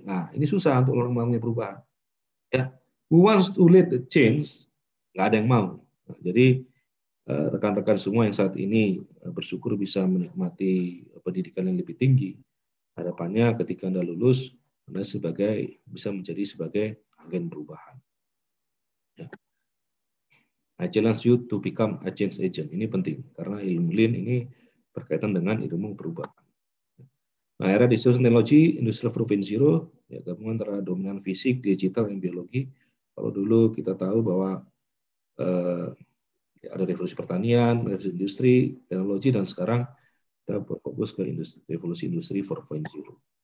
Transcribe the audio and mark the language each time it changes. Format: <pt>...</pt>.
<id>Nah, ini susah untuk orang mau perubahan. Ya,</id> <en>who wants to lead the change?</en> <id>Nggak ada yang mau. Nah, jadi rekan-rekan semua yang saat ini bersyukur bisa menikmati pendidikan yang lebih tinggi. Harapannya ketika Anda lulus, Anda bisa menjadi sebagai agen perubahan. Ya.</id> <en>I challenge you to become a change agent.</en> <id>Ini penting, karena ilmu lean ini berkaitan dengan ilmu perubahan. Nah, era digital technology, industrial 4.0, ya, gabungan antara dominan fisik, digital, dan biologi. Kalau dulu kita tahu bahwa ya, ada revolusi pertanian, revolusi industri, teknologi, dan sekarang kita berfokus ke revolusi industri 4.0.</id>